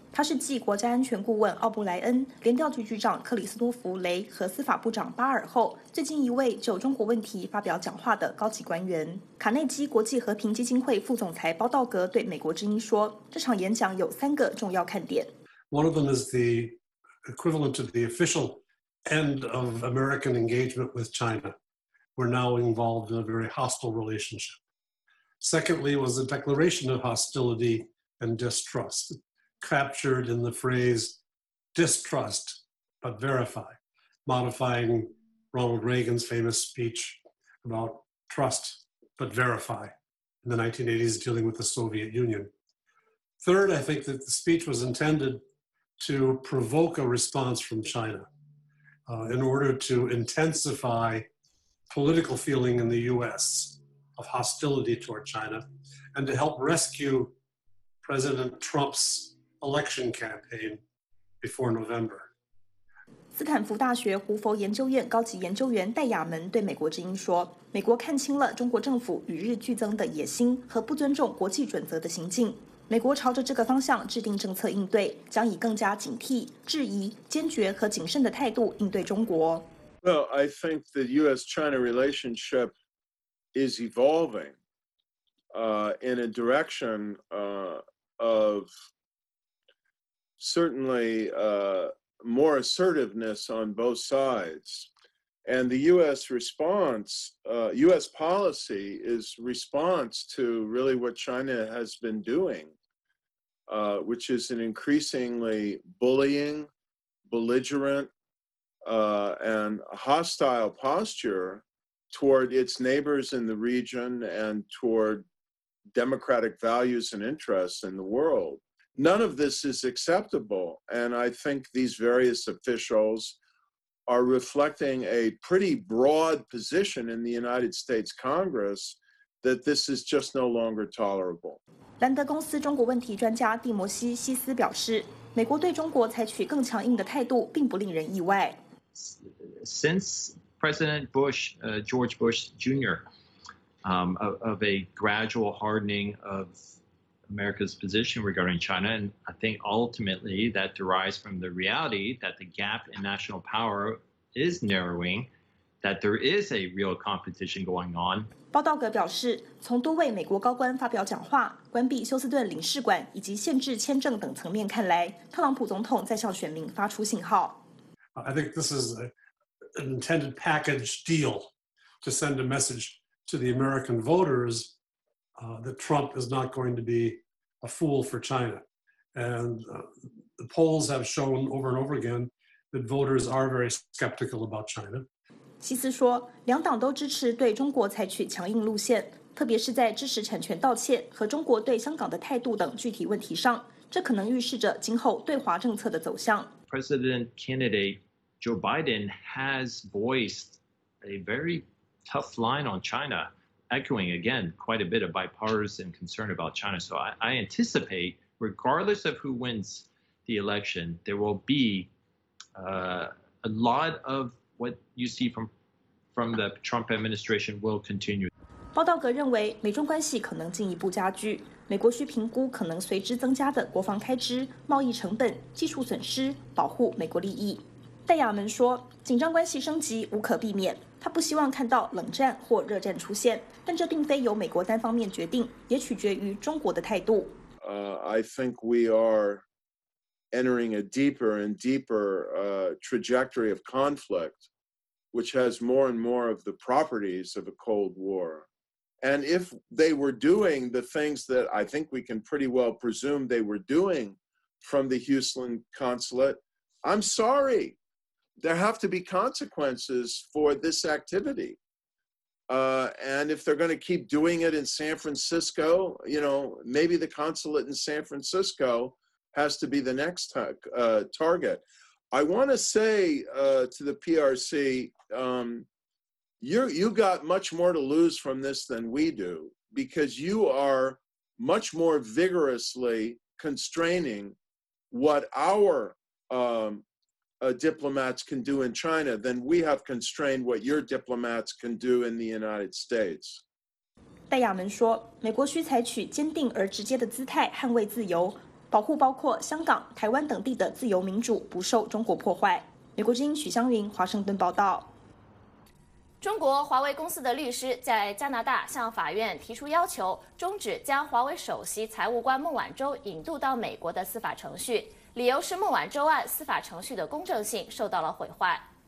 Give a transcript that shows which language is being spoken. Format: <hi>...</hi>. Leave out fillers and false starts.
<zh>他是继国家安全顾问奥布莱恩、联调局局长克里斯多弗·雷和司法部长巴尔后，最近一位就中国问题发表讲话的高级官员。卡内基国际和平基金会副总裁包道格对美国之音说，这场演讲有三个重要看点。</zh> <en>One of them is the equivalent of the official end of American engagement with China. We're now involved in a very hostile relationship. Secondly, was a declaration of hostility and distrust. Captured in the phrase distrust but verify, modifying Ronald Reagan's famous speech about trust but verify in the 1980s dealing with the Soviet Union. Third, I think that the speech was intended to provoke a response from China, in order to intensify political feeling in the US of hostility toward China and to help rescue President Trump's. Election campaign before November.</en> <zh>斯坦福大学胡佛研究院高级研究员戴亚门对美国之音说：“美国看清了中国政府与日俱增的野心和不尊重国际准则的行径。美国朝着这个方向制定政策应对，将以更加警惕、质疑、坚决和谨慎的态度应对中国。”</zh> <en>Well, I think the U.S.-China relationship is evolving, in a direction, of. Certainly, more assertiveness on both sides. And the U.S. response, U.S. policy is response to really what China has been doing, which is an increasingly bullying, belligerent, and hostile posture toward its neighbors in the region and toward democratic values and interests in the world. None of this is acceptable, and I think these various officials are reflecting a pretty broad position in the United States Congress that this is just no longer tolerable.</en> <zh>兰德公司中国问题专家蒂摩西·西斯表示，美国对中国采取更强硬的态度并不令人意外。</zh> <en>Since President Bush, George Bush Jr., of a gradual hardening of. America's position regarding China, and I think ultimately that derives from the reality that the gap in national power is narrowing, that there is a real competition going on.</en> <zh>报道格表示，从多位美国高官发表讲话、关闭休斯顿领事馆以及限制签证等层面看来，特朗普总统在向选民发出信号。</zh> <en>I think this is an intended package deal to send a message to the American voters. That Trump is not going to be a fool for China. And the polls have shown over and over again that voters are very skeptical about China.</en> <zh>西斯说，两党都支持对中国采取强硬路线，特别是在知识产权盗窃和中国对香港的态度等具体问题上，这可能预示着今后对华政策的走向。</zh> <en>President candidate Joe Biden has voiced a very tough line on China, echoing again quite a bit of bipartisan concern about China. So I anticipate, regardless of who wins the election, there will be a lot of what you see from the Trump administration will continue.</en> <zh>报道格认为，美中关系可能进一步加剧。美国需评估可能随之增加的国防开支、贸易成本、技术损失、保护美国利益。戴亚门说，紧张关系升级无可避免，他不希望看到冷战或热战出现，但这并非由美国单方面决定，也取决于中国的态度。</zh> <en>I think we are entering a deeper and deeper trajectory of conflict, which has more and more of the properties of a Cold War. And if they were doing the things that I think we can pretty well presume they were doing from the Houston consulate, I'm sorry. There have to be consequences for this activity. And if they're going to keep doing it in San Francisco, you know, maybe the consulate in San Francisco has to be the next target. I want to say to the PRC, You got much more to lose from this than we do, because you are much more vigorously constraining what our diplomats can do in China than we have constrained what your diplomats can do in the United States.</en> <zh>戴亚门说，美国需采取坚定而直接的姿态捍卫自由，保护包括香港、台湾等地的自由民主不受中国破坏。美国之音许湘云，华盛顿报道。中国华为公司的律师在加拿大向法院提出要求，终止将华为首席财务官孟晚舟引渡到美国的司法程序，理由是孟晚舟案司法程序的公正性受到了毁坏。</zh>